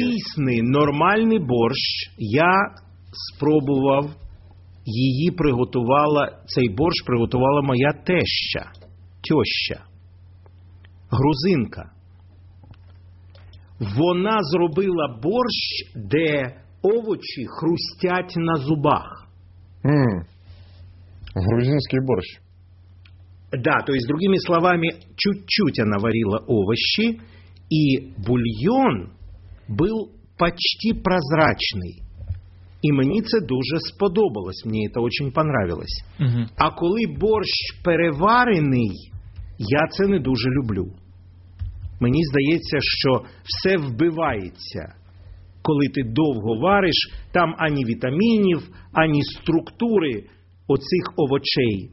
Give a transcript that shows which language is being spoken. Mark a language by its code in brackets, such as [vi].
[uk] Дійсний, нормальний борщ, я спробував, її приготувала, цей борщ приготувала моя тьоща, грузинка. Вона зробила борщ, де овочі хрустять на зубах. Грузинський борщ. [ru] Да, то есть, другими словами, чуть-чуть она варила овощи, и бульон был почти прозрачный. И мне это [uk] дуже сподобалось, [ru] мне это очень понравилось. Угу. [uk] А коли борщ переварений, я це не дуже люблю. Мені здається, що все вбивається, коли ти довго вариш, там ані вітамінів, ані структури оцих овочей.